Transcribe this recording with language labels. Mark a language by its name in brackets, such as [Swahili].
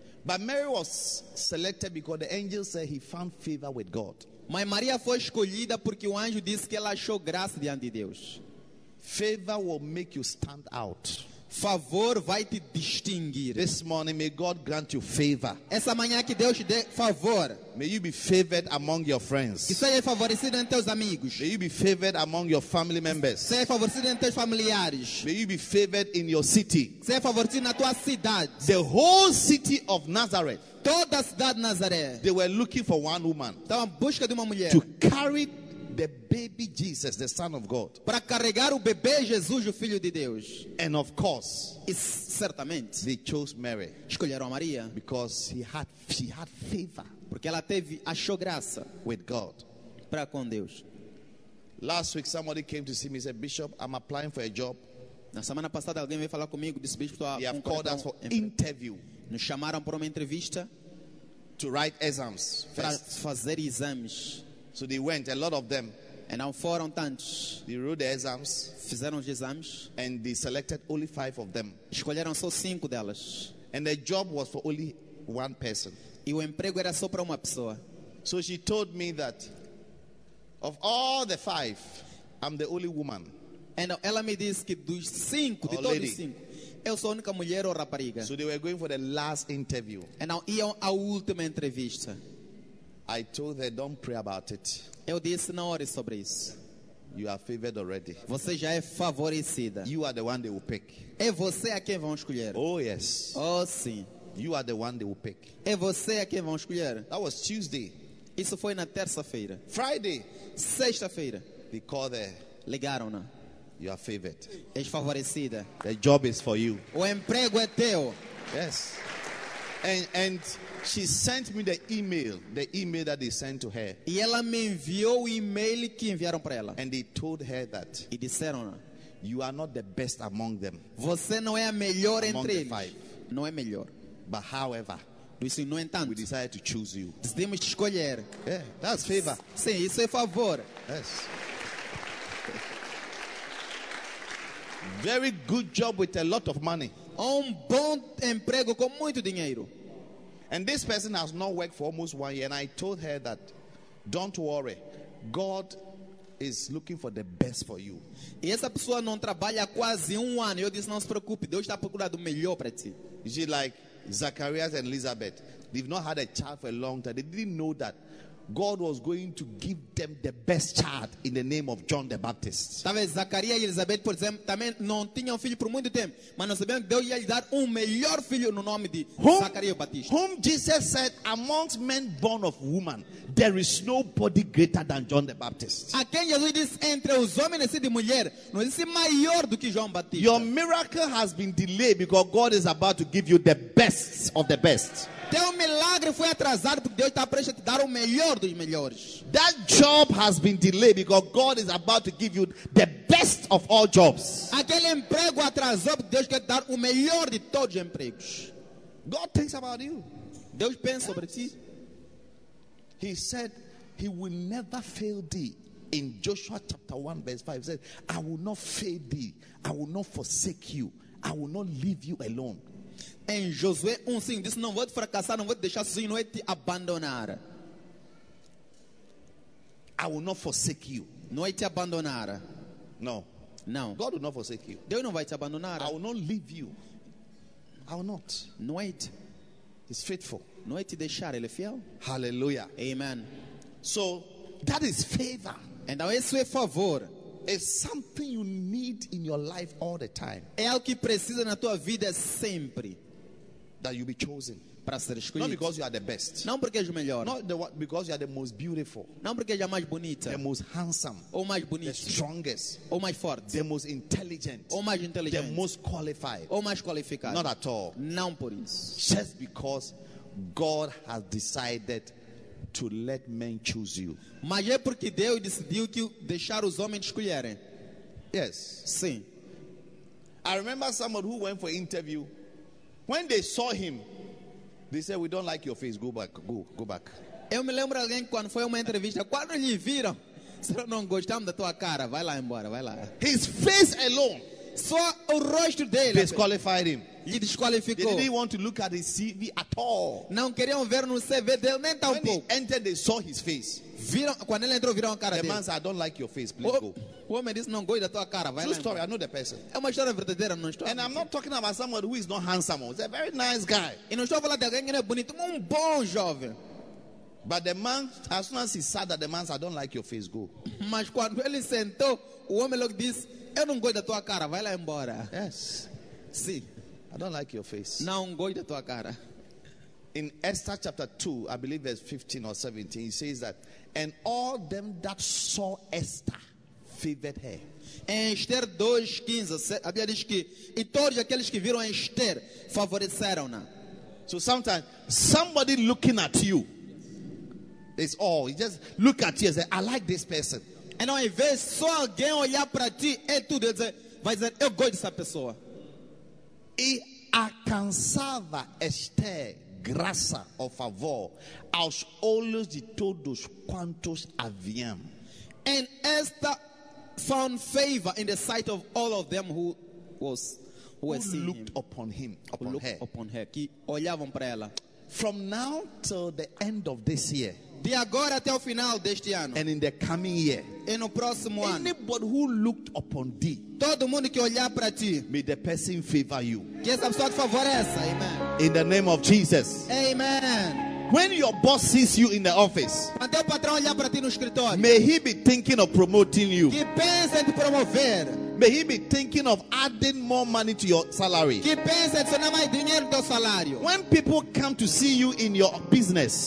[English] But Mary was selected because the angel said he found favor with God. [Portuguese] Mas Maria foi escolhida porque o anjo disse que ela achou graça diante de Deus. [English] Favor will make you stand out. [Portuguese] Favor vai te distinguir. [English] This morning, may God grant you favor. [Portuguese] Essa manhã que Deus te dê favor. [English] May you be favored among your friends. [Portuguese] Que seja favorecido entre os amigos. [English] May you be favored among your family members. [Portuguese] Seja favorecido entre os familiares. [English] May you be favored in your city. [Portuguese] Seja favorecido na tua cidade. [English] The whole city of Nazareth. [Portuguese] Toda a cidade de Nazaré. [English] They were looking for one woman. [Portuguese] Estavam em busca de uma mulher. [English] To carry the baby Jesus, the Son of God. [Portuguese] Para carregar o bebê Jesus, o Filho de Deus. [English] And of course, [Portuguese] certamente, [English] they chose Mary. [Portuguese] Escolheram a Maria. [English] Because she had favor. [Portuguese] Porque ela teve, achou graça. [English] With God. [Portuguese] Para com Deus. [English] Last week, somebody came to see me and said, Bishop, I'm applying for a job. [Portuguese] Na semana passada, alguém veio falar comigo, disse, Bishop, [English] they have called us for interview. [Portuguese] Nos chamaram para uma entrevista. [English] To write exams. [Portuguese] Para fazer exames. [English] So they went, a lot of them. And now [Portuguese] foram tantos. [English] They wrote the exams. [Portuguese] Fizeram os exames. [English] And they selected only 5 of them. [Portuguese] Escolheram só 5 delas. [English] And the job was for only one person. [Portuguese] E o emprego era só para uma pessoa. [English] So she told me that of all the 5, I'm the only woman. [Portuguese] And ela me disse que dos 5, de todos os 5, eu sou a única mulher ou rapariga. [English] So they were going for the last interview. And now [Portuguese] iam à última entrevista. [English] I told her, don't pray about it. [Portuguese] Eu disse, não ore sobre isso. [English] You are favored already. [Portuguese] Você já é favorecida. [English] You are the one they will pick. [Portuguese] É você a quem vão escolher. [English] Oh, yes. [Portuguese] Oh, sim. [English] You are the one they will pick. [Portuguese] É você a quem vão escolher. [English] That was Tuesday. [Portuguese] Isso foi na terça-feira. [English] Friday. [Portuguese] Sexta-feira. [English] They called her. [Portuguese] Ligaram-na. [English] You are favored. [Portuguese] És favorecida. [English] The job is for you. [Portuguese] O emprego é teu. [English] Yes. And she sent me the email that they sent to her. [Portuguese] E ela me enviou o e-mail que enviaram para ela. [English] And they told her that. [Portuguese] E disseram, [English] you are not the best among them. [Portuguese] Você não é a melhor entre eles. [English] Among the 5. [Portuguese] Não é melhor. [English] But however, [Portuguese] disse, no entanto, [English] we decided to choose you. [Portuguese] Decidimos escolher. [English] Yeah, that's favor. [Portuguese] Sim, isso é favor. [English] Yes. very good job with a lot of money. [Portuguese] Bom emprego com muito dinheiro. [English] And this person has not worked for almost 1 year. And I told her that, don't worry, God is looking for the best for you. [Portuguese] E essa pessoa não trabalha há quase 1 ano. Eu disse, não se preocupe, Deus está procurando o melhor para ti. [English] She like Zacharias and Elizabeth. They've not had a child for a long time. They didn't know that God was going to give them the best child in the name of John the Baptist. [Portuguese] Talvez Zacarias e Elizabeth, por exemplo, também não tinham filho por muito tempo, mas nós sabemos que Deus ia lhe dar um melhor filho no nome de Zacarias Batista. [English] Whom Jesus said, amongst men born of woman, there is nobody greater than John the Baptist. [Portuguese] A quem Jesus disse, entre os homens e de mulher, não existe maior do que João Batista. [English] Your miracle has been delayed because God is about to give you the best of the best. [Portuguese] Teu milagre foi atrasado porque Deus está prestes a te dar o melhor dos melhores. [English] That job has been delayed because God is about to give you the best of all jobs. [Portuguese] Aquele emprego atrasou porque Deus quer te dar o melhor de todos os empregos. [English] God thinks about you. [Portuguese] Deus pensa sobre ti. [English] He said he will never fail thee. In Joshua chapter 1 verse 5, he said, I will not fail thee. I will not forsake you. I will not leave you alone. [Portuguese] Em Josué 1:5 disse, não vou te fracassar, não vou te deixar sozinho, não vou te abandonar. [English] I will not forsake you. [Portuguese] Não vou te abandonar. [English] No. [Portuguese] Não. [English] God will not forsake you. [Portuguese] Deus não vai te abandonar. [English] I will not leave you. I will not. [Portuguese] Não vou te. [English] He's faithful. [Portuguese] Não vou te deixar, ele é fiel. [English] Hallelujah. [Portuguese] Amen. [English] So, that is favor. [Portuguese] Então, isso é favor. [English] It's something you need in your life all the time. [Portuguese] É algo que precisa na tua vida sempre. [English] That you be chosen. [Portuguese] Para ser escolhido. [English] Not because you are the best. [Portuguese] Não porque és o melhor. [English] Not the, because you are the most beautiful. [Portuguese] Não porque és a mais bonita. [English] The most handsome. [Portuguese] Ou mais bonito. [English] The strongest. [Portuguese] Ou mais forte. [English] The most intelligent. [Portuguese] Ou mais inteligente. [English] The most qualified. [Portuguese] Ou mais qualificado. [English] Not at all. [Portuguese] Não por isso. [English] Just because God has decided to let men choose you. [Portuguese] Mas é porque Deus decidiu que deixar os homens escolherem. [English] Yes. [Portuguese] Sim. [English] I remember someone who went for interview. When they saw him, they said, "We don't like your face. Go back. Go back." [Portuguese] Eu me lembro alguém quando foi uma entrevista. Quando lhe viram, disseram, "Não gostamos da tua cara. Vai lá embora. Vai lá." [English] His face alone. [Portuguese] Só o rosto dele. [English] Disqualified him. [Portuguese] Lhe desqualificou. [English] They didn't want to look at his CV at all. [Portuguese] Não queriam ver no CV dele nem tão pouco. [English] When he entered, they saw his face. [Portuguese] Viram, quando ele entrou, viram a cara [English] the [Portuguese] dele. [English] The man said, "I don't like your face. Please go." [Portuguese] O homem disse, "Não gosto da tua cara. Vai [English] true [Portuguese] lá." [English] Story. I know the person. [Portuguese] É uma história verdadeira, não estou. [English] And I'm not talking about someone who is not handsome. He's a very nice guy. [Portuguese] E não estou falando de alguém que não é bonito, mas um bom jovem. [English] But the man, as soon as he said that, the man said, "I don't like your face. Go." [Portuguese] Mas quando ele sentou, o homem logo disse, "Eu não gosto da tua cara. Vai lá embora." [English] Yes. [Portuguese] Sim. [English] I don't like your face. [Portuguese] Não gosto da tua cara. [English] In Esther chapter 2, I believe verse 15 or 17, he says that, and all them that saw Esther favored her. [Portuguese] Em Esther 2:15, a Bíblia diz que e todos aqueles que viram Esther favoreceram-na. [English] So sometimes somebody looking at you is all. You just look at you and say, "I like this person." And [Portuguese] ao invés só alguém olhar para ti é tudo, ele vai dizer, "Eu gosto dessa pessoa." E alcançava Esther graça ou favor aos olhos de todos quantos haviam. [English] And Esther found favor in the sight of all of them who was who looked upon her, [Portuguese] que olhavam para ela. [English] From now till the end of this year, [Portuguese] de agora até o final deste ano, [English] and in the coming year, [Portuguese] e no próximo ano, [English] anybody who looked upon thee, [Portuguese] todo mundo que olhar para ti, [English] may the person favor you. [Portuguese] Que essa pessoa te favoreça. [English] Amen. In the name of Jesus. Amen. When your boss sees you in the office, [Portuguese] quando teu patrão olhar para ti no escritório, [English] may he be thinking of promoting you. [Portuguese] Que pensa em te promover. [English] May he be thinking of adding more money to your salary. [Portuguese] Que pensa em adicionar mais dinheiro ao salário. [English] When people come to see you in your business,